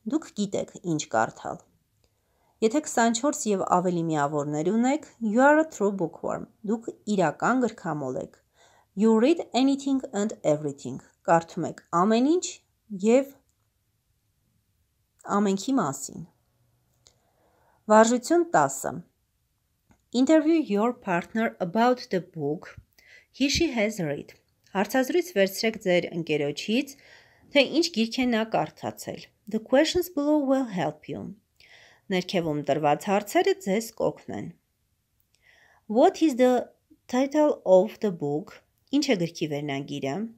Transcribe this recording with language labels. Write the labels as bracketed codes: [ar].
[hy] Դուք գիտեք ինչ կարդալ։ Եթե 24 և ավելի միավորներ ունեք, [en] you are a true bookworm. [hy] Դուք իրական գրքամոլ եք։ [en] You read anything and everything. [hy] Կարդում եք ամեն ինչ և ամենքի մասին։ Վարժություն 10-ը. [en] Interview your partner about the book he she has read. [hy] Հարցազրույց վերցրեք ձեր ընկերոջից, թե ինչ գիրք է նա կարդացել. [en] The questions below will help you. [hy] Ներքևում տրված հարցերը ձեզ կօգնեն. [en] What is the title of the book? [hy] Ինչ է գրքի վերնագիրը?